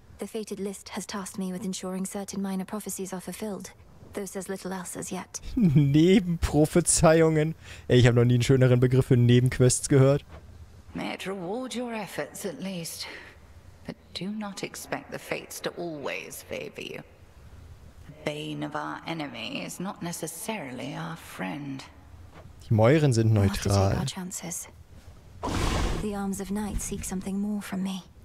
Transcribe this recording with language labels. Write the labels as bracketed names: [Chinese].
[English] The fated list has tasked me with ensuring certain minor prophecies are fulfilled. Though says little else as yet. [German] Nebenprophezeiungen. Ey, ich habe noch nie einen schöneren Begriff für Nebenquests gehört. [English] May it reward your efforts at least. But do not expect the fates to always favor you. The bane of our enemy is not necessarily our friend. [German] Die Mäuren sind neutral. [English] The arms of night seek something more from me.